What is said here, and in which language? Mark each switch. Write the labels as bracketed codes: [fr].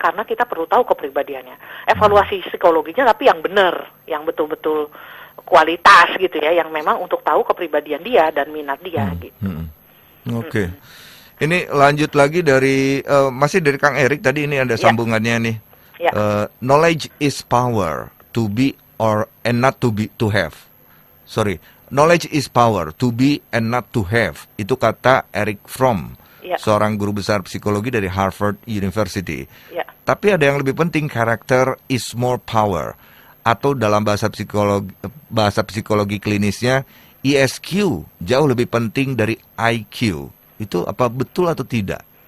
[id] Karena kita perlu tahu kepribadiannya. Evaluasi psikologinya tapi yang benar, yang betul-betul kualitas gitu ya, yang memang untuk tahu kepribadian dia dan minat dia gitu. Oke. Ini lanjut lagi dari masih dari Kang Erik tadi, ini ada sambungannya nih. [en] Knowledge is power, to be or and not to be, to have. Knowledge is power, to be and not to have. [id] Itu kata [en] Eric Fromm. [id] seorang guru besar psikologi dari Harvard University. Ya. Tapi ada yang lebih penting, [en] character is more power. [id] Atau dalam bahasa psikologi klinisnya, ESQ jauh lebih penting dari IQ. Itu apa betul atau tidak?